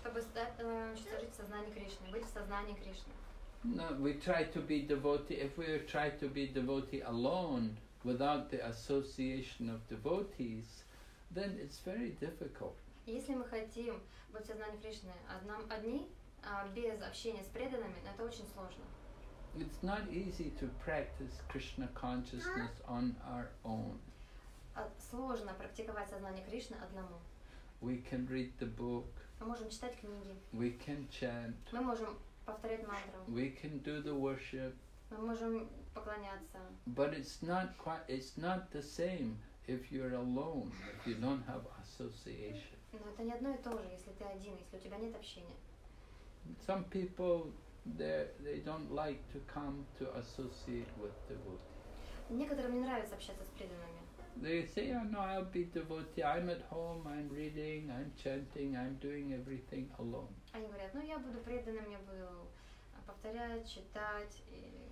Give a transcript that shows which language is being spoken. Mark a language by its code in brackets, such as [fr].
[ru] Чтобы стать в сознании Кришны, быть в сознании Кришны. [en] No, we try to be devotee. If we try to be devotee alone, without the association of devotees, then it's very difficult. [ru] Если мы хотим быть в сознании Кришны одни, без общения с преданными, это очень сложно. [en] It's not easy to practice Krishna consciousness on our own. [ru] Сложно практиковать сознание Кришны одному. [en] We can read the book. [ru] Мы можем читать книги. [en] We can chant. [ru] Мы можем повторять мантру. [en] We can do the worship. [ru] Мы можем поклоняться. [en] But it's not the same if you're alone, if you don't have association. [ru] Но это не одно и то же, если ты один, если у тебя нет общения. [en] Some people they don't like to come to associate with devotees. [ru] Некоторым не нравится общаться с преданными. [en] They say, oh, no, I'll be devotee. I'm at home, I'm reading, I'm chanting, I'm doing everything alone. [ru] Они говорят, ну я буду преданным, я буду повторять, читать и